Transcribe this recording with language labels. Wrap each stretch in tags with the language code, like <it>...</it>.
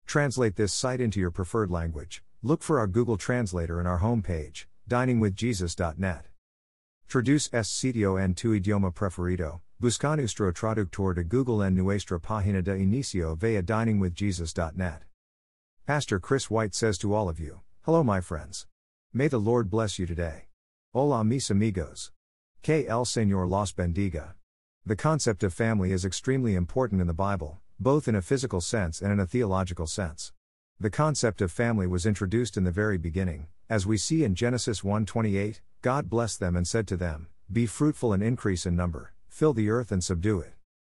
<en>Translate this site into your preferred language. Look for our Google Translator in our homepage, diningwithjesus.net.</en> <es>Traduce este sitio en tu idioma preferido. Busca nuestro traductor de Google en nuestra página de inicio via diningwithjesus.net.</es> <en>Pastor Chris White says to all of you, hello my friends. May the Lord bless you today.</en> <es>Hola mis amigos. Que el Señor los bendiga.</es> <en>The concept of family is extremely important in the Bible, both in a physical sense and in a theological sense. The concept of family was introduced in the very beginning, as we see in Genesis 1:28, God blessed them and said to them, be fruitful and increase in number, fill the earth and subdue it.</en>